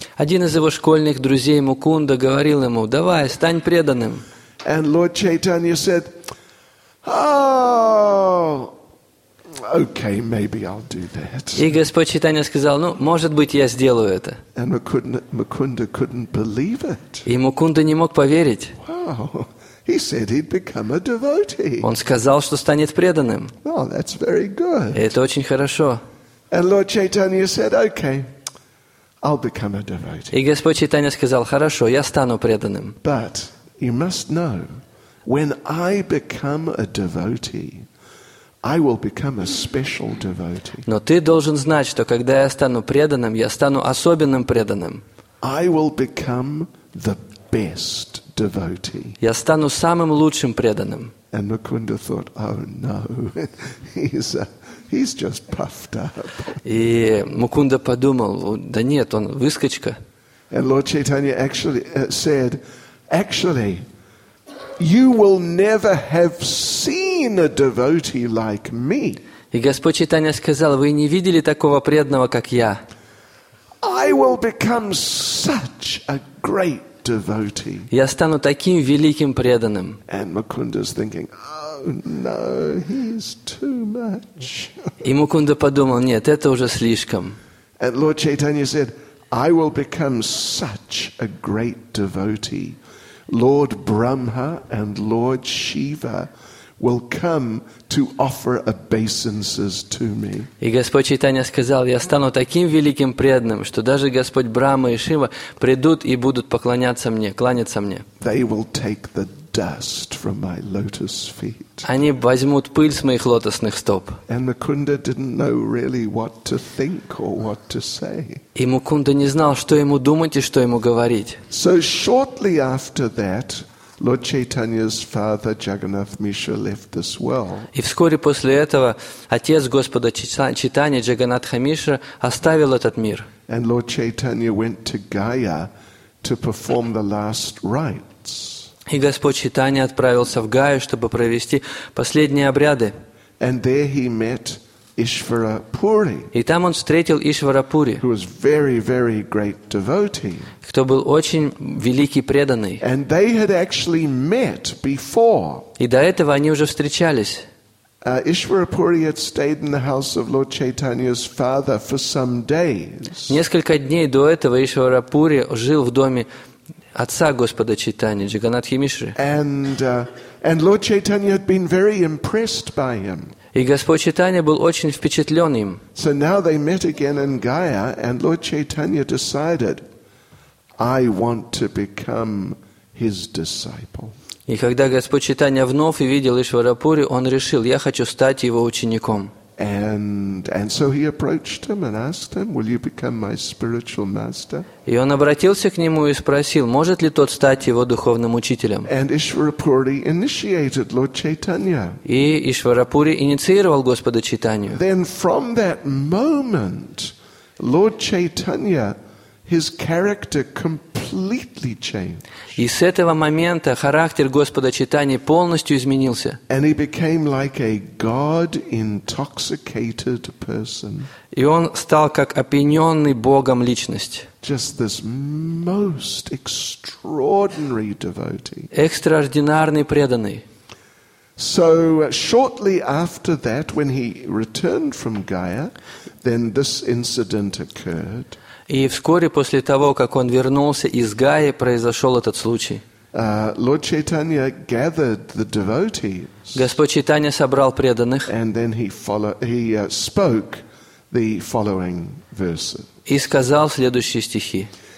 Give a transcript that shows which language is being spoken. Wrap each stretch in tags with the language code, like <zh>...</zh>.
<ru>Один из его школьных друзей Мукунда говорил ему: "Давай, стань преданным."</ru> <en>And Lord Chaitanya said, "Oh, okay, maybe I'll do that."</en> <ru>И Господь Чайтанья сказал: "Ну, может быть, я сделаю это."</ru> <en>And Mukunda couldn't believe it.</en> <ru>И Мукунда не мог поверить.</ru> <en>Wow. He said he'd become a devotee.</en> <ru>Он сказал, что станет преданным.</ru> <en>Oh, that's very good.</en> <ru>Это очень хорошо.</ru> <en>And Lord Chaitanya said, "Okay, I'll become a devotee."</en> <ru>И Господь Чайтанья сказал: "Хорошо, я стану преданным."</ru> <en>But you must know, when I become a devotee, I will become a special devotee.</en> <ru>Но ты должен знать, что когда я стану преданным, я стану особенным преданным.</ru> <en>I will become the best.</en> <ru>Я стану самым лучшим преданным.</ru> <en>And Mukunda thought, "Oh no, he's just puffed up."</en> <ru>И Мукунда подумал: "Да нет, он выскочка."</ru> <en>And Lord Chaitanya actually said, "Actually, you will never have seen a devotee like me."</en> <ru>И Господь Чайтанья сказал: "Вы не видели такого преданного, как я."</ru> <en>I will become such a great. Devotee.</en> <ru>Я стану таким великим преданным.</ru> <en>And Mukunda's thinking, "Oh no, he's too much."</en> <ru>И Мукунда подумал: "Нет, это уже слишком."</ru> <en>And Lord Chaitanya said, "I will become such a great devotee. Lord Brahma and Lord Shiva will come to offer obeisances to me."</en> <ru>И Господь Чайтанья сказал: "Я стану таким великим преданным, что даже Господь Брама и Шива придут и будут поклоняться мне, кланяться мне.</ru> <en>They will take the dust from my lotus feet."</en> <ru>Они возьмут пыль с моих лотосных стоп.</ru> <en>And Mukunda didn't know really what to think or what to say.</en> <ru>И Мукунда не знал, что ему думать и что ему говорить.</ru> <en>So shortly after that, Lord Chaitanya's father Jagannath Mishra left this world.</en> <ru>И вскоре после этого отец Господа Чайтанья Джаганатха Мишра оставил этот мир.</ru> <en>And Lord Chaitanya went to Gaya to perform the last rites.</en> <ru>И Господь Чайтанья отправился в Гаю, чтобы провести последние обряды.</ru> <en>And there he met Ishvara Puri.</en> <ru>И там он встретил Ишвара Пури.</ru> <en>Who was very, very great devotee.</en> <ru>Кто был очень великий преданный.</ru> <en>And they had actually met before.</en> <ru>И до этого они уже встречались.</ru> <en>Ishvara Puri had stayed in the house of Lord Chaitanya's father for some days.</en> <ru>Несколько дней до этого Ишвара Пури жил в доме отца Господа Чайтанья Джаганатхи Мишры.</ru> <en>And Lord Chaitanya had been very impressed by him.</en> <ru>И Господь Чайтанья был очень впечатлен им.</ru> <en>So now they met again in Gaya, and Lord Chaitanya decided, "I want to become his disciple."</en> <ru>И когда Господь Чайтанья вновь увидел Ишвара Пури, он решил: "Я хочу стать его учеником."</ru> <en>And so he approached him and asked him, "Will you become my spiritual master?"</en> <ru>И он обратился к нему и спросил, может ли тот стать его духовным учителем.</ru> <en>And Ishvara Puri initiated Lord Chaitanya.</en> <ru>И Ишвара Пури инициировал Господа Чайтанью.</ru> <en>Then from that moment, Lord Chaitanya, His character completely changed.</en> <ru>И с этого момента характер Господа Читания полностью изменился.</ru> <en>And he became like a God-intoxicated person.</en> <ru>И он стал как опьяненный Богом личность.</ru> <en>Just this most extraordinary devotee.</en> <ru>Экстраординарный преданный.</ru> <en>So shortly after that, when he returned from Gaya, then this incident occurred.</en> <ru>И вскоре после того, как он вернулся из Гаи, произошел этот случай.</ru> <en>Lord Chaitanya gathered the devotees.</en> <ru>Господь Чайтанья собрал преданных.</ru> <en>And then he spoke the following verses.</en> <ru>И сказал следующие стихи.</ru>